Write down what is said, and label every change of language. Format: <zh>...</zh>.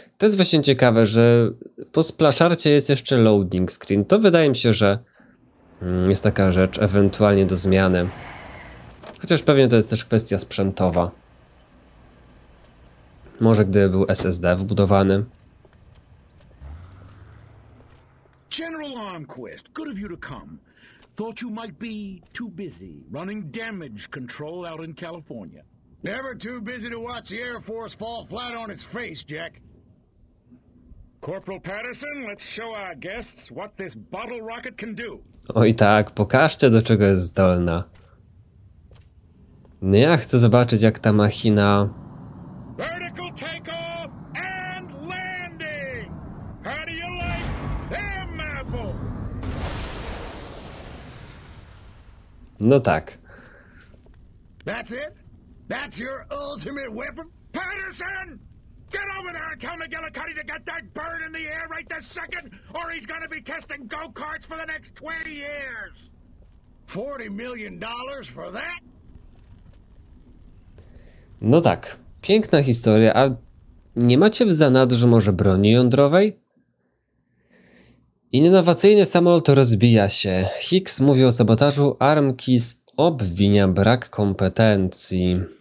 <pl>To jest właśnie ciekawe, że po splaszarcie jest jeszcze loading screen. To wydaje mi się, że jest taka rzecz ewentualnie do zmiany. Chociaż pewnie to jest też kwestia sprzętowa. Może gdyby był SSD wbudowany.</pl> <en>General Armquist, good of you to come. Thought you might be too busy running damage control out in California. Never too busy to watch the Air Force fall flat on its face, Jack. Corporal Patterson, let's show our guests what this bottle rocket can do.</en> <pl>Oj tak, pokażcie do czego jest zdolna. No ja chcę zobaczyć jak ta machina...</pl> <en>Vertical takeoff and landing! How do you like them apples?</en> <pl>No tak.</pl> <en>That's it? That's your ultimate weapon? Patterson! Get over there and tell McGillicuddy to get that bird in the air right this second, or he's gonna be testing go-karts for the next 20 years! $40 million for that?</en> <pl>No tak, piękna historia, a nie macie w zanadrzu może broni jądrowej? Innowacyjny samolot rozbija się. Hicks mówi o sabotażu, Armkis obwinia brak kompetencji.</pl>